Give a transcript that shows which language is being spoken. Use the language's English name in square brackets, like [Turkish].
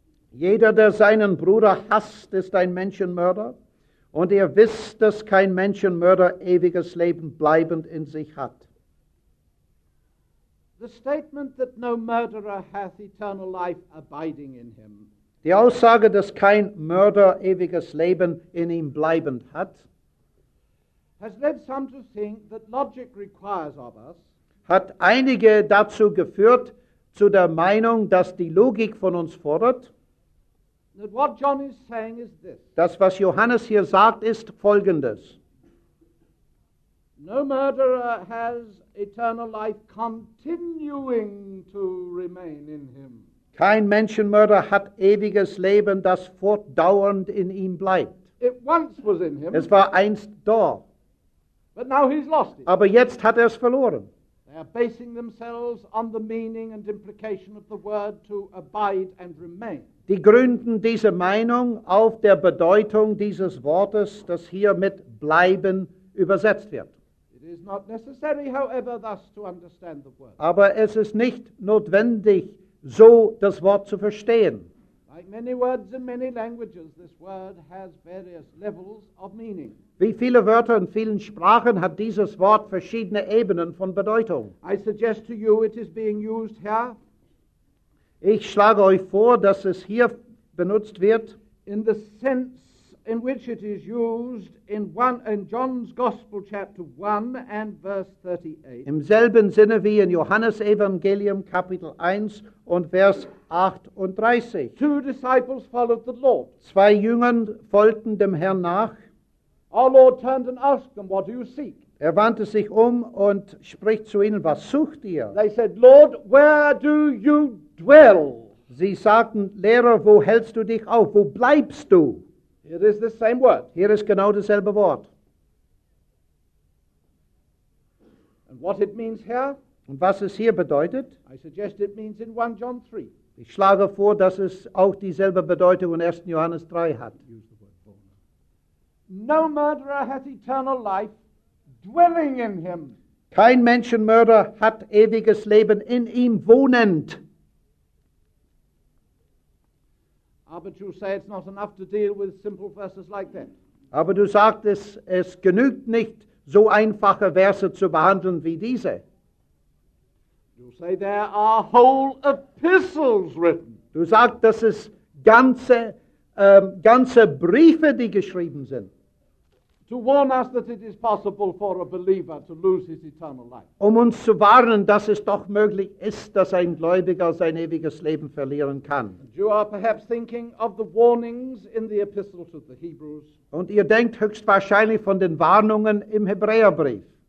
[German] Jeder, der seinen Bruder hasst, ist ein Menschenmörder. Und ihr wisst, dass kein Menschenmörder ewiges Leben bleibend in sich hat. [English] The statement that no murderer hath eternal life abiding in him. [German] Die Aussage, dass kein Mörder ewiges Leben in ihm bleibend hat, [English] has led some to think that logic requires of us, [German] hat einige dazu geführt, zu der Meinung, dass die Logik von uns fordert, [English] that what John is saying is this. [German] Das, was Johannes hier sagt, ist Folgendes. [English] No murderer has eternal life continuing to remain in him. [German] Kein Menschenmörder hat ewiges Leben, das fortdauernd in ihm bleibt. [English] It once was in him. [German] Es war einst da. [English] But now he's lost it. [German] Aber jetzt hat es verloren. [English] They are basing themselves on the meaning and implication of the word to abide and remain. [German] Die gründen diese Meinung auf der Bedeutung dieses Wortes, das hier mit bleiben übersetzt wird. [English] It is not necessary, however, thus to understand the word. [German] Aber es ist nicht notwendig, so das Wort zu verstehen. [English] Like many words in many languages, this word has various levels of meaning. [German] Wie viele Wörter in vielen Sprachen hat dieses Wort verschiedene Ebenen von Bedeutung. [English] I suggest to you it is being used here. [German] Ich schlage euch vor, dass es hier benutzt wird. [English] In the sense in which it is used in John's Gospel chapter 1 and verse 38. [German] Im selben Sinne wie in Johannes Evangelium Kapitel 1 und Vers 38. [English] Two disciples followed the Lord. [German] Zwei Jüngern folgten dem Herrn nach. [English] Our Lord turned and asked them, "What do you seek?" [German] Er wandte sich um und spricht zu ihnen, was sucht ihr? [English] They said, "Lord, where do you dwell?" [German] Sie sagten, Lehrer, wo hältst du dich auf? Wo bleibst du? [English] It is the same word. [German] Hier ist genau dasselbe Wort. [English] And what it means here? [German] Und was es hier bedeutet? [English] I suggest it means in 1 John 3. [German] Ich schlage vor, dass es auch dieselbe Bedeutung in 1. Johannes 3 hat. [English] No murderer hath eternal life dwelling in him. [German] Kein Menschenmörder hat ewiges Leben in ihm wohnend. Aber du sagst, [English] it's not enough to deal with simple verses like that. [German] Aber du sagst, es genügt nicht, so einfache Verse zu behandeln wie diese. [English] You say there are whole epistles written. [German] Du sagst, dass es ganze Briefe, die geschrieben sind. [English] To warn us that it is possible for a believer to lose his eternal life. [German] Um uns zu warnen, dass es doch möglich ist, dass ein Gläubiger sein ewiges Leben verlieren kann. [English] You are perhaps thinking of the warnings in the epistle to the Hebrews. [German] Und ihr denkt höchstwahrscheinlich von den Warnungen im Hebräerbrief.